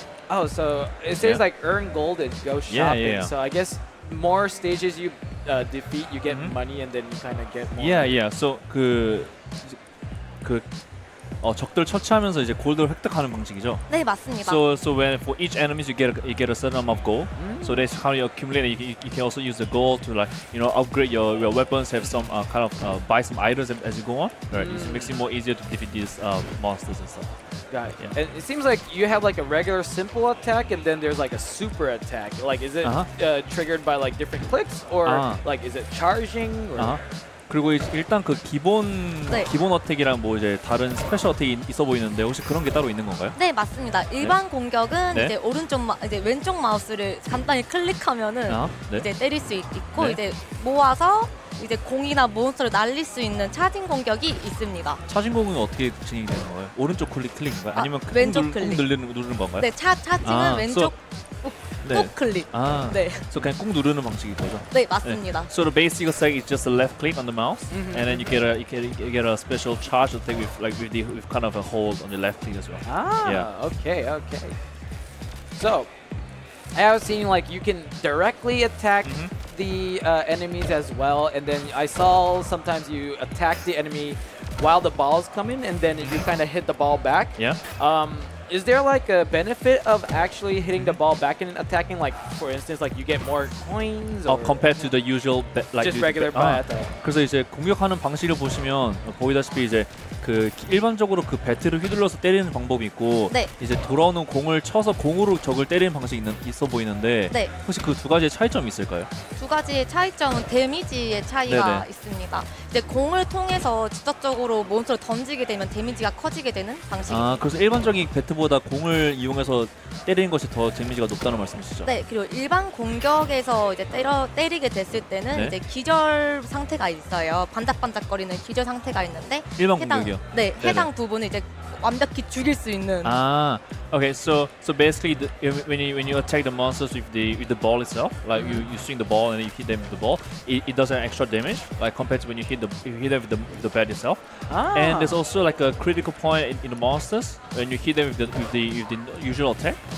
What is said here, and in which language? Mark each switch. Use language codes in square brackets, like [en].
[en] Oh, so it says like earn gold and go shopping. Yeah, yeah. So I guess more stages you defeat, you get money, and then you kind of get more. Yeah, yeah. [ko] So 그 그 어 적들 처치하면서 이제 골드를 획득하는 방식이죠. 네, 맞습니다. [en] So when for each enemy you get a certain amount of gold. Mm-hmm. So that's how you accumulate. You can also use the gold to like, you know, upgrade your weapons, have some kind of buy some items as you go on. Right. Mm-hmm. It makes it more easier to defeat these monsters and stuff. Got it. Yeah. And it seems like you have like a regular simple attack and then there's like a super attack. Like is it triggered by like different clicks or like is it charging or [ko] 그리고 일단 그 기본 네. 기본 어택이랑 뭐 이제 다른 스페셜 어택이 있어 보이는데 혹시 그런 게 따로 있는 건가요? 네, 맞습니다. 일반 네? 공격은 네? 이제 오른쪽 이제 왼쪽 마우스를 간단히 클릭하면은 네? 이제 때릴 수 있고 네? 이제 모아서 이제 공이나 몬스터를 날릴 수 있는 차징 공격이 있습니다. 차징 공격은 어떻게 진행이 되는 거예요? 오른쪽 클릭 클릭인가요? 아니면 아, 왼쪽 클릭 누르는 건가요? 네, 차징은 왼쪽 네. 꾹 클릭. 아, 네. So 그냥 꾹 누르는 방식이 거죠? 네, 맞습니다. 네. [en] So the basic attack is just a left click on the mouse, mm-hmm. and then you get a special charge attack with like with kind of a hold on the left click as well. Ah, yeah. Okay. So I have seen like you can directly attack mm-hmm. the enemies as well, and then I saw sometimes you attack the enemy while the ball is coming, and then you kind of hit the ball back. Yeah. Is there like a benefit of actually hitting the ball back and attacking? Like for instance, like you get more coins. Or compared to the usual, like just regular battle. [ko] 그래서 이제 공격하는 방식을 보시면 보이다시피 이제 그 일반적으로 그 배트를 휘둘러서 때리는 방법이 있고 네. 이제 돌아오는 공을 쳐서 공으로 적을 때리는 방식이 있어 보이는데 네. 혹시 그 두 가지의 차이점이 있을까요? 두 가지의 차이점은 데미지의 차이가 네네. 있습니다. 이제 공을 통해서 직접적으로 몬스터를 던지게 되면 데미지가 커지게 되는 방식입니다. 아, 그래서 일반적인 배트보다 공을 이용해서 때리는 것이 더 데미지가 높다는 말씀이시죠? 네, 그리고 일반 공격에서 이제 때리게 됐을 때는 네? 이제 기절 상태가 있어요. 반짝반짝거리는 기절 상태가 있는데 일반 공격이요? 네, 해당 네네. 부분을 이제 완벽히 죽일 수 있는 [en] 아, okay, so basically when you attack the monsters with the ball itself, like you swing the ball and you hit them with the ball, it does an extra damage, like compared to when you hit them with the bat itself. Ah. And there's also like a critical point in the monsters when you hit them with the usual attack,